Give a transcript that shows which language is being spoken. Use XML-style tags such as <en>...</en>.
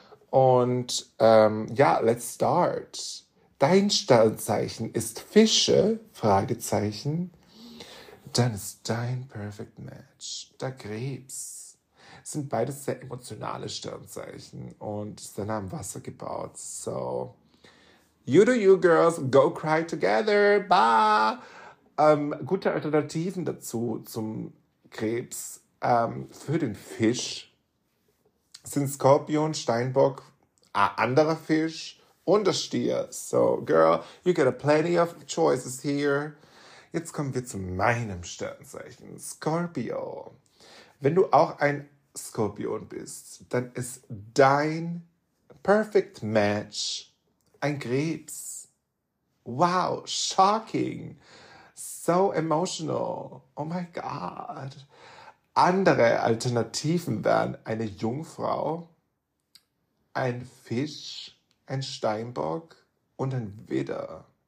<de>Und ja,</de> <en>let's start.</en> <de>Dein Sternzeichen ist Fische? Fragezeichen. Dann ist dein Perfect Match der Krebs. Es sind beides sehr emotionale Sternzeichen und ist dann am Wasser gebaut.</de> <en>So, you do you, girls, go cry together, bah!</en> <de>Gute Alternativen dazu zum Krebs. Für den Fisch sind Skorpion, Steinbock, ein anderer Fisch und der Stier.</de> <en>So, girl, you got a plenty of choices here.</en> <de>Jetzt kommen wir zu meinem Sternzeichen, Skorpio. Wenn du auch ein Skorpion bist, dann ist dein Perfect Match ein Krebs.</de> <en>Wow, shocking. So emotional. Oh my God.</en> <de>Andere Alternativen wären eine Jungfrau, ein Fisch, ein Steinbock und ein Widder.</de>